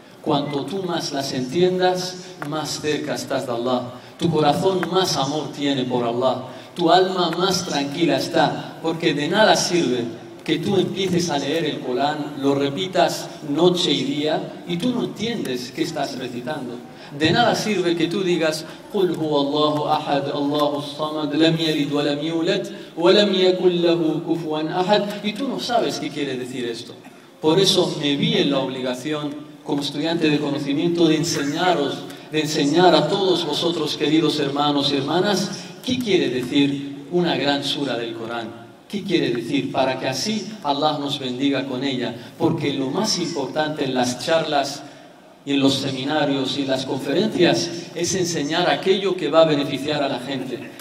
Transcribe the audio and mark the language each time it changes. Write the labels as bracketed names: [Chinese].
[Spanish] Cuanto tú más las entiendas, más cerca estás de Allah. Tu corazón más amor tiene por Allah. Tu alma más tranquila está, porque de nada sirve que tú empieces a leer el Corán, lo repitas noche y día, y tú no entiendes qué estás recitando. De nada sirve que tú digas [Arabic] قُلْ هُوَ اللَّهُ أَحَدْ اللَّهُ الصَّمَدُ لَمْ يَلِدْ وَلَمْ يُولَدْ وَلَمْ يَكُنْ لَهُ كُفُوًا أَحَدْ. [Spanish] Y tú no sabes qué quiere decir esto. Por eso me vi en la obligación, como estudiante de conocimiento, de enseñaros, de enseñar a todos vosotros, queridos hermanos y hermanas, qué quiere decir una gran sura del Corán. ¿Qué quiere decir? Para que así Allah nos bendiga con ella. Porque lo más importante en las charlas y en los seminarios y las conferencias es enseñar aquello que va a beneficiar a la gente.